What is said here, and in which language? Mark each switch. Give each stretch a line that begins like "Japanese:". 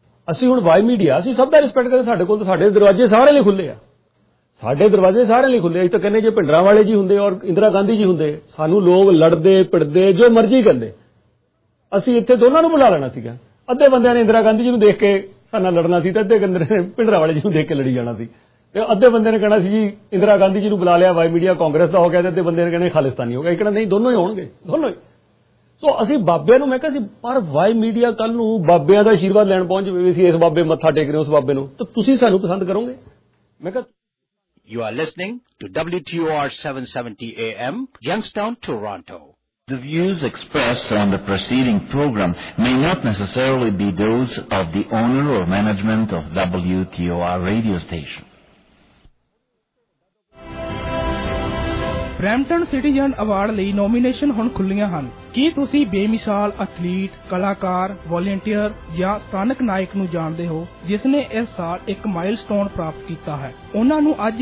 Punjabi: ਅਸੀਂ ਹੁਣ Y media, ਅਸੀਂ ਸਭ ਦਾ ਰਿਸਪੈਕਟ ਕਰਦੇ, ਸਾਡੇ ਕੋਲ ਤਾਂ ਸਾਡੇ ਦਰਵਾਜ਼ੇ ਸਾਰਿਆਂ ਲਈ ਖੁੱਲ੍ਹੇ ਆ, ਸਾਡੇ ਦਰਵਾਜ਼ੇ ਸਾਰਿਆਂ ਲਈ ਖੁੱਲ੍ਹੇ, ਅਸੀਂ ਤਾਂ ਕਹਿੰਦੇ ਜੇ ਭਿੰਡਰਾਂ ਵਾਲੇ ਜੀ ਹੁੰਦੇ ਔਰ ਇੰਦਰਾ ਗਾਂਧੀ ਜੀ ਹੁੰਦੇ, ਸਾਨੂੰ ਲੋਕ ਲੜਦੇ ਭਿੜਦੇ ਜੋ ਮਰਜ਼ੀ ਕਹਿੰਦੇ, ਅਸੀਂ ਇੱਥੇ ਦੋਨਾਂ ਨੂੰ ਬੁਲਾ ਲੈਣਾ ਸੀਗਾ, ਅੱਧੇ ਬੰਦਿਆਂ ਨੇ ਇੰਦਰਾ ਗਾਂਧੀ ਜੀ ਨੂੰ ਦੇਖ ਕੇ ਸਾਡੇ ਨਾਲ ਲੜਨਾ ਸੀ, ਤਾਂ ਅੱਧੇ ਬੰਦੇ ਨੇ ਭਿੰਡਰਾਂ ਵਾਲੇ ਜੀ ਨੂੰ ਦੇਖ ਕੇ ਲੜੀ ਜਾਣਾ ਸੀ, ਤੇ ਅੱਧੇ ਬੰਦੇ ਨੇ ਕਹਿਣਾ ਸੀ ਜੀ ਇੰਦਰਾ ਗਾਂਧੀ ਜੀ ਨੂੰ ਬੁਲਾ ਲਿਆ, ਵਾਈ ਮੀਡੀਆ ਕਾਂਗਰਸ ਦਾ ਹੋ ਗਿਆ, ਤੇ ਅੱਧੇ ਬੰਦੇ ਨੇ ਕਹਿੰਦੇ ਖਾਲਿਸਤਾਨੀ ਹੋ ਗਿਆ, ਇਹ ਕਹਿੰਦਾ ਨਹੀਂ ਦੋਨੋਂ ਹੀ ਹੋਣਗੇ, ਦੋਨੋਂ ਹੀ। ਸੋ ਅਸੀਂ ਬਾਬਿਆਂ ਨੂੰ, ਮੈਂ ਕਿਹਾ ਸੀ ਪਰ ਵਾਈ ਮੀਡੀਆ ਕੱਲ ਨੂੰ ਬਾਬਿਆਂ ਦਾ ਆਸ਼ੀਰਵਾਦ ਲੈਣ ਪਹੁੰਚ ਜਾਵੇ, ਅਸੀਂ ਇਸ ਬਾਬੇ ਮੱਥਾ ਟੇਕ ਰਹੇ ਹਾਂ ਉਸ ਬਾਬੇ ਨੂੰ, ਤਾਂ ਤੁਸੀਂ ਸਾਨੂੰ ਪਸੰਦ ਕਰੋਗੇ? ਮੈਂ ਕਿਹਾ
English: You are listening to WTOR 770 AM Youngstown Toronto. The views expressed on the preceding program may not necessarily be those of the owner or management of WTOR radio station.
Punjabi: Brampton citizen award ਲਈ nomination ਹੁਣ ਖੁੱਲ੍ਹੀਆਂ ਹਨ। ਕੀ ਤੁਸੀਂ ਬੇਮਿਸਾਲ athlete, ਕਲਾਕਾਰ, volunteer ਜਾਂ ਸਥਾਨਕ ਨਾਇਕ ਨੂੰ ਜਾਣਦੇ ਹੋ ਜਿਸ ਨੇ ਇਸ ਸਾਲ ਇੱਕ ਮਾਈਲਸਟੋਨ ਪ੍ਰਾਪਤ ਕੀਤਾ ਹੈ? ਉਹਨਾਂ ਨੂੰ